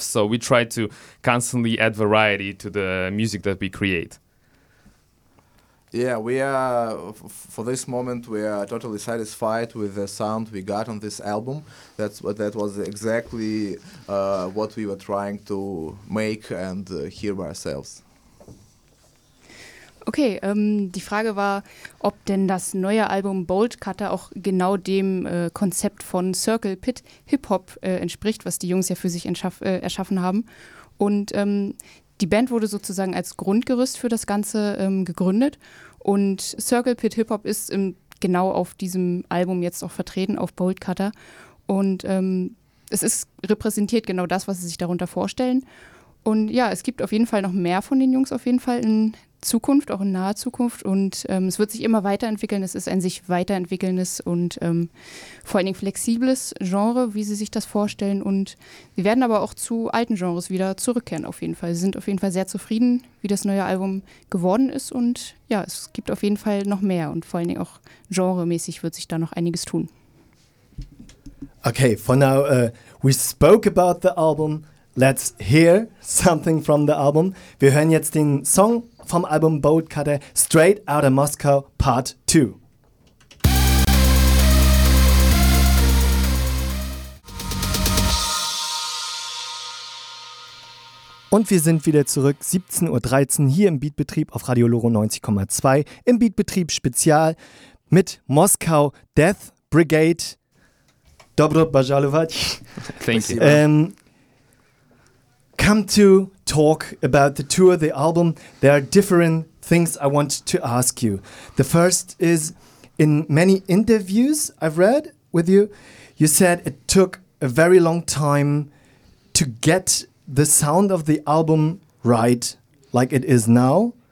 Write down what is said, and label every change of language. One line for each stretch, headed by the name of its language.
English: So we try to constantly add variety to the music that we create. Yeah, we are, for this moment, we are totally satisfied with the sound we got on this album. That was exactly what we were trying to make and hear by ourselves.
German: Okay, die Frage war, ob denn das neue Album Bolt Cutter auch genau dem Konzept von Circle Pit Hip-Hop entspricht, was die Jungs ja für sich erschaffen haben. Und die Band wurde sozusagen als Grundgerüst für das Ganze gegründet. Und Circle Pit Hip-Hop ist genau auf diesem Album jetzt auch vertreten, auf Bolt Cutter. Und es ist repräsentiert genau das, was sie sich darunter vorstellen. Und ja, es gibt auf jeden Fall noch mehr von den Jungs auf jeden Fall in Zukunft, auch in naher Zukunft, und es wird sich immer weiterentwickeln. Es ist ein sich weiterentwickelndes und vor allen Dingen flexibles Genre, wie sie sich das vorstellen, und sie werden aber auch zu alten Genres wieder zurückkehren auf jeden Fall. Sie sind auf jeden Fall sehr zufrieden, wie das neue Album geworden ist, und ja, es gibt auf jeden Fall noch mehr, und vor allen Dingen auch genremäßig wird sich da noch einiges tun.
English: Okay, for now, we spoke about the album. Let's hear something from the album.
German: Wir hören jetzt den Song vom Album Bolt Cutter, Straight Out of Moscow, Part 2. Und wir sind wieder zurück, 17.13 Uhr hier im Beatbetrieb auf Radio Loro 90,2, im Beatbetrieb Spezial mit Moscow Death Brigade.
Slovenian: Dobro pozdravljati.
English: Thank you. Come to talk about the tour, the album. There are different things I want to ask you. The first is, in many interviews I've read with you, you said it took a very long time to get the sound of the album right, like it is now.